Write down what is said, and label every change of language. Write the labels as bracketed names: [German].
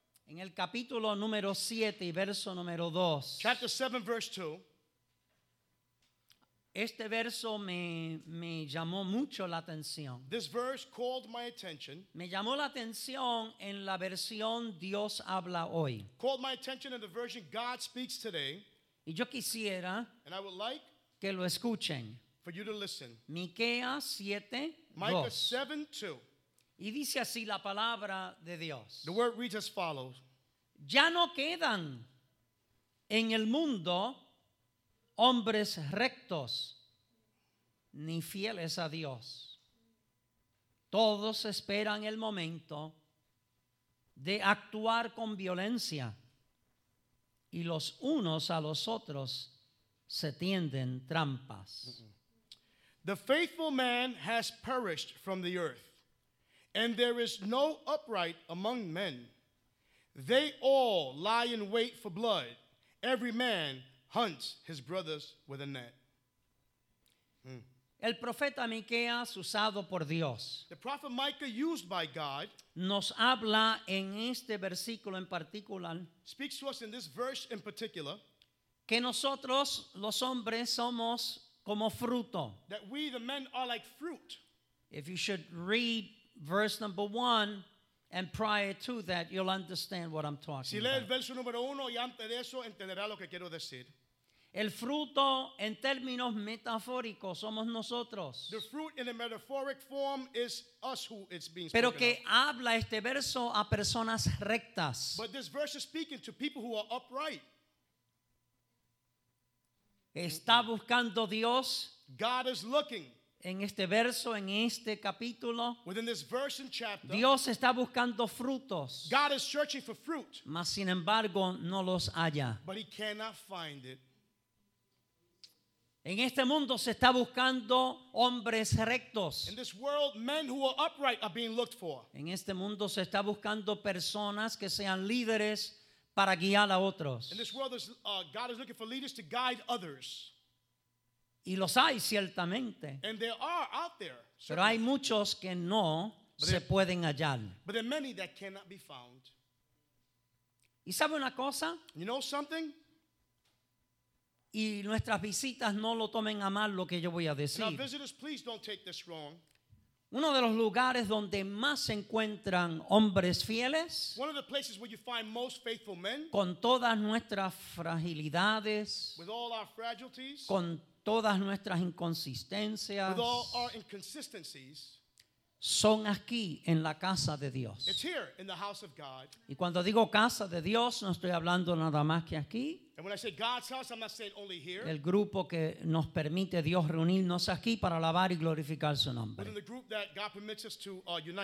[Spanish] en el capítulo número 7 y verso número 2, [English] chapter 7 verse 2, [Spanish] este verso me llamó mucho la atención. [English] This verse called my attention. [Spanish] Me llamó la atención en la versión Dios habla hoy. [English] Called my attention in the version God speaks today. [Spanish] Y yo quisiera, [English] and I would like, [Spanish] que lo escuchen. [English] For you to listen. [Spanish] Miqueas 7, [English] Micah 7:2. [Spanish] Y dice así la palabra de Dios. [English] The word reads as follows. [Spanish] Ya no quedan en el mundo hombres rectos ni fieles a Dios. Todos esperan el momento de actuar con violencia y los unos a los otros se tienden trampas. [English] The faithful man has perished from the earth, and there is no upright among men. They all lie in wait for blood. Every man hunts his brothers with a net. [Spanish] El profeta Miqueas, usado por Dios, [English] the prophet Micah, used by God, [Spanish] nos habla en este versículo en particular, [English] speaks to us in this verse in particular, [Spanish] que nosotros los hombres somos como fruto. [English] That we, the men, are like fruit. If you should read verse number 1, and prior to that, you'll understand what I'm talking about. [Spanish] Si lee el verso número uno y antes de eso, entenderá lo que quiero decir. El fruto en términos metafóricos somos nosotros. [English] The fruit in a metaphoric form is us who it's being spoken. [Spanish] Pero que habla este verso a personas rectas. [English] But this verse is speaking to people who are upright. [Spanish] Está buscando Dios. [English] God is looking. [Spanish] En este verso, en este capítulo, [English] within this verse and chapter, [Spanish] Dios está buscando frutos. [English] God is searching for fruit. [Spanish] Mas sin embargo, no los halla. [English] But he cannot find it. [Spanish] En este mundo se está buscando hombres rectos. [English] In this world, men who are upright are being looked for. [Spanish] En este mundo se está buscando personas que sean líderes para guiar a otros. [English] In this world, God is looking for leaders to guide others. [Spanish] Y los hay ciertamente. [English] And there are out there, [Spanish] pero hay muchos que no se pueden hallar. [English] But there are many that cannot be found. [Spanish] ¿Y sabe una cosa? [English] You know something? [Spanish] Y nuestras visitas no lo tomen a mal lo que yo voy a decir. [English] And our visitors, please don't take this wrong. [Spanish] Uno de los lugares donde más se encuentran hombres fieles, [English] one of the places where you find most faithful men, [Spanish] con todas nuestras fragilidades, [English] with all our fragilities, [Spanish] con todas nuestras inconsistencias, [English] with all our inconsistencies, [Spanish] son aquí en la casa de Dios. [English] It's here in the house of God. [Spanish] Y cuando digo casa de Dios, no estoy hablando nada más que aquí. [English] And when I say God's house, I'm not saying only here. [Spanish] El grupo que nos permite Dios reunirnos aquí para alabar y glorificar su nombre. [English] Within the group that God permits us to unite.